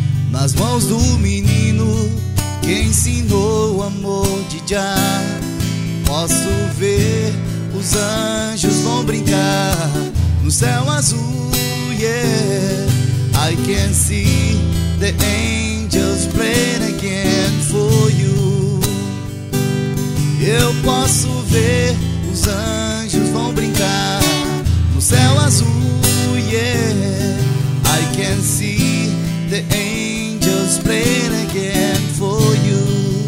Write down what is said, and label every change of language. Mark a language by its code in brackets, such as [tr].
[pt] Nas mãos do menino que ensinou o amor de Jah. Posso ver os anjos vão brincar no céu azul, yeah. [en] I can see the angels playing again for you. [pt] Eu posso ver os anjos vão brincar no céu azul, yeah. [en] I can see the angels playing again for you.